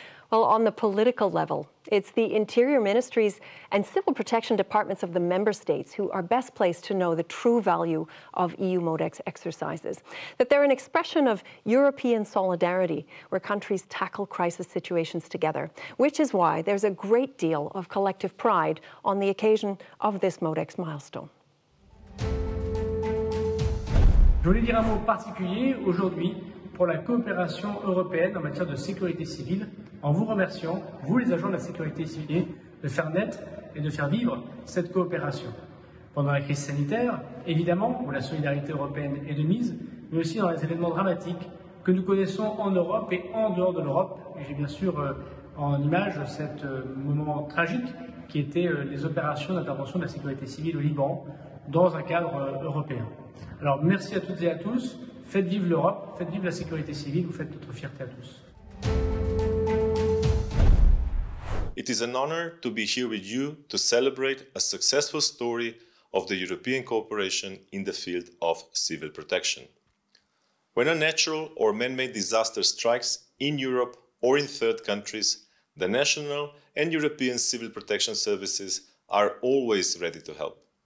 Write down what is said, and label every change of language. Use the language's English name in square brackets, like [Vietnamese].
[English] Well, on the political level, it's the interior ministries and civil protection departments of the member states who are best placed to know the true value of EU MODEX exercises, that they're an expression of European solidarity where countries tackle crisis situations together, which is why there's a great deal of collective pride on the occasion of this MODEX milestone. [French] Je voulais dire un mot particulier aujourd'hui pour la coopération européenne en matière de sécurité civile, en vous remerciant, vous les agents de la sécurité civile, de faire naître et de faire vivre cette coopération. Pendant la crise sanitaire, évidemment, où la solidarité européenne est de mise, mais aussi dans les événements dramatiques que nous connaissons en Europe et en dehors de l'Europe. Et j'ai bien sûr en image cet moment tragique qui était les opérations d'intervention de la sécurité civile au Liban dans un cadre européen. Alors merci à toutes et à tous. Faites vivre l'Europe, faites vivre la sécurité civile, vous faites notre fierté à tous. [English] It is an honor to be here with you to celebrate a successful story of the European cooperation in the field of civil protection. When a natural or man-made disaster strikes in Europe or in third countries, the national and European civil protection services are always ready to help.